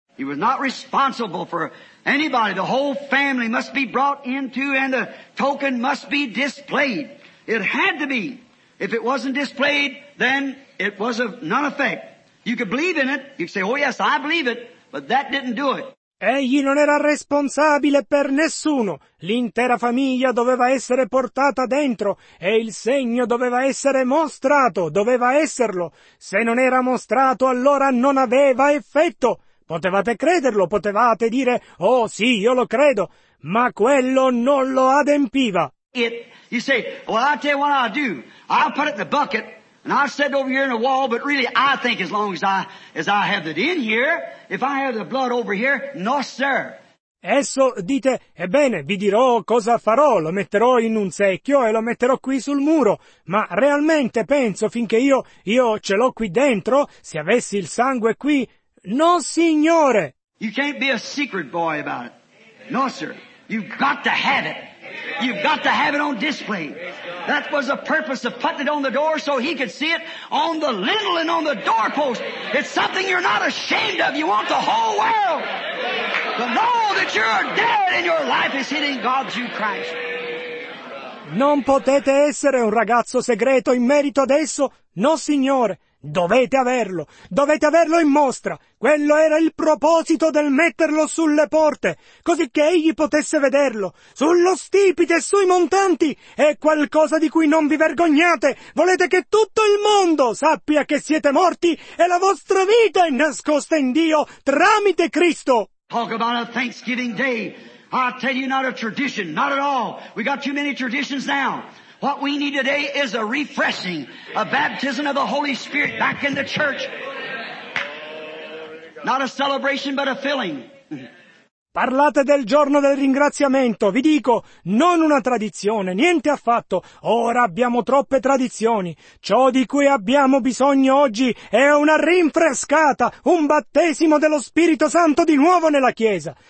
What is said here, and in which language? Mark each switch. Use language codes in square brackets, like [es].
[en] He was not responsible for anybody. The whole family must be brought into and the token must be displayed. It had to be. If it wasn't displayed, then it was of none effect. You could believe in it. You could say, oh yes, I believe it, but that didn't do it. [it] Egli non era responsabile per nessuno. L'intera famiglia doveva essere portata dentro e il segno doveva essere mostrato, doveva esserlo. Se non era mostrato, allora non aveva effetto. Potevate crederlo, potevate dire, oh sì, io lo credo, ma quello non lo adempiva. [en] It, you say, well, I tell you what I do. I'll put it in the bucket and I'll set it over here in a wall, but really I think as long as I have it in here, if I have the blood over here, no sir. [it] Esso dite, ebbene, vi dirò cosa farò, lo metterò in un secchio e lo metterò qui sul muro, ma realmente penso finché io ce l'ho qui dentro, se avessi il sangue qui, no signore. [en] You can't be a secret boy about it. No sir. You've got to have it. You've got to have it on display. That was the purpose of putting it on the door so he could see it on the lintel and on the doorpost. It's something you're not ashamed of. You want the whole world to know that you're dead and your life is hidden in God through Christ. [it] Non potete essere un ragazzo segreto in merito adesso? No, signore. Dovete averlo. Dovete averlo in mostra. Quello era il proposito del metterlo sulle porte, così che egli potesse vederlo. Sullo stipite e sui montanti è qualcosa di cui non vi vergognate. Volete che tutto il mondo sappia che siete morti e la vostra vita è nascosta in Dio tramite Cristo. [en] Talk about a Thanksgiving Day. I tell you, not a tradition, not at all. We got too many traditions now. What we need today is a refreshing, a baptism of the Holy Spirit back in the church. Not a celebration, but a filling. [it] Parlate del giorno del ringraziamento. Vi dico, non una tradizione, niente affatto. Ora abbiamo troppe tradizioni. Ciò di cui abbiamo bisogno oggi è una rinfrescata, un battesimo dello Spirito Santo di nuovo nella Chiesa.